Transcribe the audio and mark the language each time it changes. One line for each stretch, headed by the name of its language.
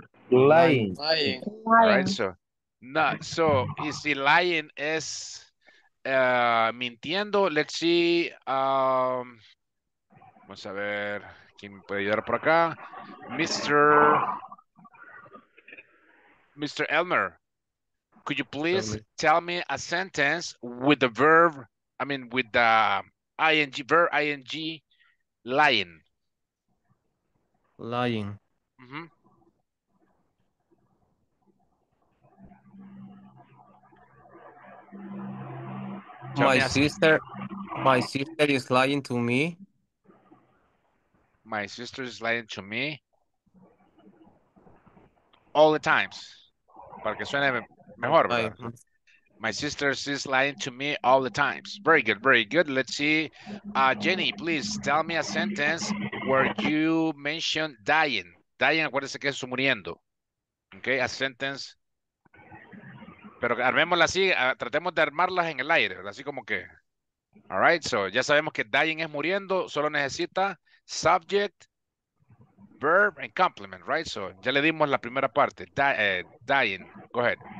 English: Lying. Lying. All right, so. No, so, you see, lying is...
Spanish: mintiendo,
English: let's see.
Spanish: Vamos a ver quién puede ayudar por acá.
English: Mr. Elmer, could you please tell me a sentence with the verb, I mean, with the ing, verb ing, lying? Lying. Mm-hmm. My sister is lying to me. My sister is lying to me. All the times.
Spanish: Para que suene mejor.
English: My sister is lying to me all the times. Very good, very good. Let's see. Jenny, please tell me a sentence where you mentioned dying.
Spanish: Dying, acuérdese que es muriendo.
English: Okay, a sentence.
Spanish: Pero armémosla así, tratemos de armarlas en el aire, así como que.
English: All right, so
Spanish: ya sabemos que dying es muriendo, solo necesita subject,
English: verb and complement, right? So
Spanish: ya le dimos la primera parte.
English: Diane, go ahead.